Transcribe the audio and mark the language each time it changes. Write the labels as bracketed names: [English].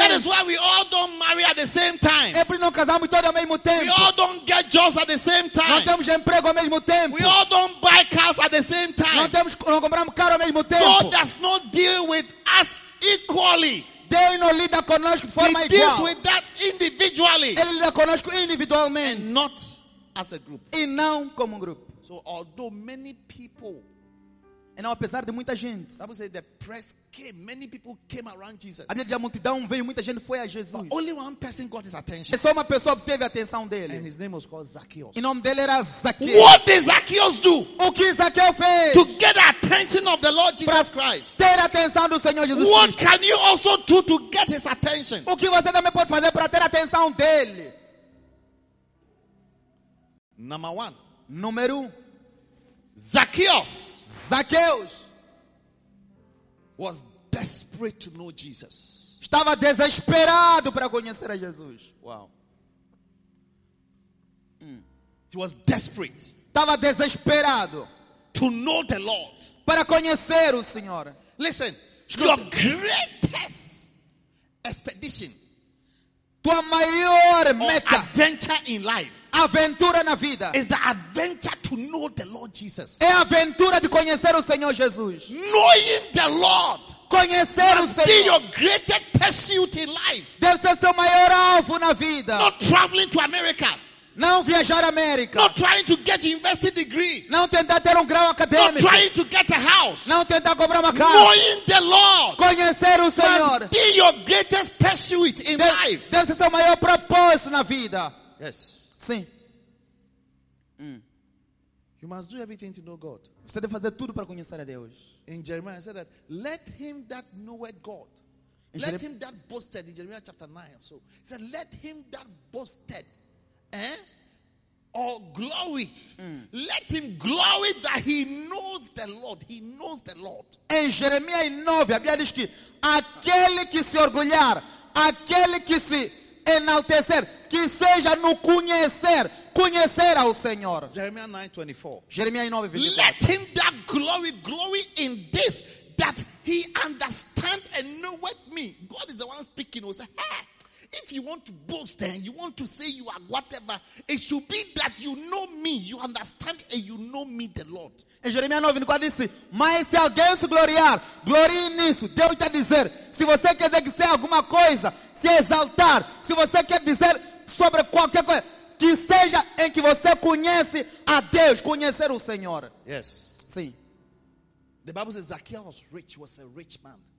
[English] That is why we all don't marry at the same time. [Portuguese] Sempre não casamos todos ao mesmo tempo. [English] We all don't get jobs at the same time. [Portuguese] Não temos emprego ao mesmo tempo. [English] We all don't buy cars at the same time. [Portuguese] Não temos, não compramos carro ao mesmo tempo. [English] God does not deal with us equally. [Portuguese] Deus não lida conosco de forma igual. [English] He deals with that individually. [Portuguese] Ele lida conosco individualmente. [English] And not as a group. [Portuguese] E não como um grupo. [English] So although many people, [Portuguese] e não apesar de muita gente, [English] that was the press came. Many people came around Jesus. [Portuguese] A gente, a multidão veio, muita gente foi a Jesus. [English] But only one person got his attention. [Portuguese] E só uma pessoa obteve a atenção dele. [English] And his name was called Zacchaeus. [Portuguese] E nome dele era Zacchaeus. [English] What did Zacchaeus do? [Portuguese] O que Zacchaeus fez? [English] To get the attention of the Lord Jesus Christ. [Portuguese] Ter a atenção do Senhor Jesus. [English] What [Portuguese] Cristo. [English] Can you also do to get his attention? [Portuguese] O que você também pode fazer para ter a atenção dele? [English] Number one. [Portuguese] Número um. [English] Zacchaeus. [Portuguese] Zacchaeus [English] was desperate to know Jesus. [Portuguese] Estava desesperado para conhecer a Jesus. [English] Wow. He was desperate. [Portuguese] Estava desesperado [English] to know the Lord. [Portuguese] Para conhecer o Senhor. [English] Listen, [Portuguese] escuta. [English] Your greatest expedition, [Portuguese] tua maior meta, [English] adventure in life, [Portuguese] aventura na vida, [English] is the adventure to know the Lord Jesus. [Portuguese] É a aventura de conhecer o Senhor Jesus. [English] Knowing the Lord, [Portuguese] conhecer [English] must [Portuguese] o Senhor, [English] be your greatest pursuit in life. [Portuguese] Deve ser seu maior alvo na vida. [English] Not traveling to America. [Portuguese] Não viajar à América. [English] Not trying to get a university degree. [Portuguese] Não tentar ter grau acadêmico. [English] Not trying to get a house. [Portuguese] Não tentar comprar uma casa. [English] Knowing the Lord, [Portuguese] conhecer o Senhor, [English] must be your greatest pursuit in life. [Portuguese] Deve ser seu maior propósito na vida. [English] Yes. [Portuguese] Sim. [English] You must do everything to know God. [Portuguese] Você deve fazer tudo para conhecer a Deus. [English] In Jeremiah, I said that let him that knoweth God, let him that boasted in Jeremiah chapter 9. So he said, let him that boasted, or glory, let him glory that he knows the Lord. He knows the Lord. [Portuguese] Em Jeremiah 9, a Bíblia diz que aquele que se orgulhar, aquele que se enaltecer, que seja no conhecer, conhecer ao Senhor. [English] Jeremiah 9:24. [Portuguese] Jeremiah 9:24. [English] Let him that glory, glory in this, that he understand and know me. God is the one speaking. He will say, hey, if you want to boast and you want to say you are whatever, it should be that you know me, you understand and you know me, the Lord. [Portuguese] Em Jeremiah 9:24 disse, mas se alguém se gloriar, glorie nisso. Deus está dizendo, se você quer dizer que seja alguma coisa, se exaltar, se você quer dizer sobre qualquer coisa, que seja em que você conhece a Deus, conhecer o Senhor. [English] Yes. [Portuguese] Sim. [English] The Bible says Zacchaeus was rich, was a rich man.